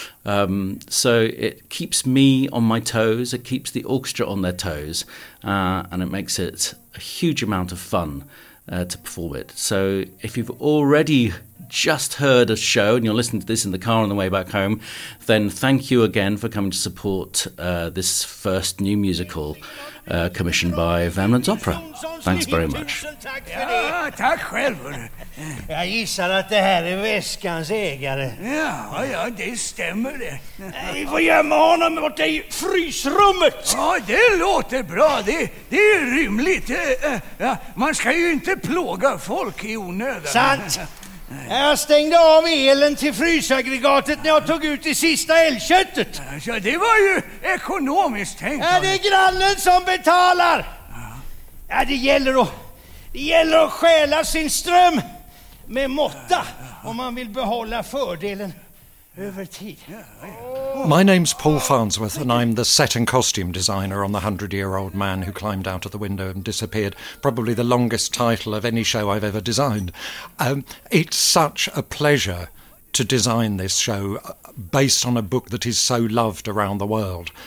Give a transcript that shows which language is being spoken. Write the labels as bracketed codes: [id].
[en] So it keeps me on my toes, it keeps the orchestra on their toes, and it makes it a huge amount of fun to perform it. So if you've already just heard a show and you're listening to this in the car on the way back home, then thank you again for coming to support this first new musical commissioned by Värmlands Opera. Thanks very much. [sv] Tack själv. Jag gissar att det här är väskans ägare. Ja, det stämmer det. Vi får gömma honom bort i frysrummet. Ja, det låter bra. Det är rymligt. Man ska ju inte plåga folk i onödan. Sant. Jag stängde av elen till frysaggregatet när jag tog ut det sista älgköttet. Ja, det var ju ekonomiskt tänkt. Är det grannen som betalar? Ja, det gäller att stjäla sin ström med måtta om man vill behålla fördelen över tid. [en] My name's Paul Farnsworth and I'm the set and costume designer on The 100-Year-Old Man Who Climbed Out of the Window and Disappeared, probably the longest title of any show I've ever designed. It's such a pleasure to design this show based on a book that is so loved around the world.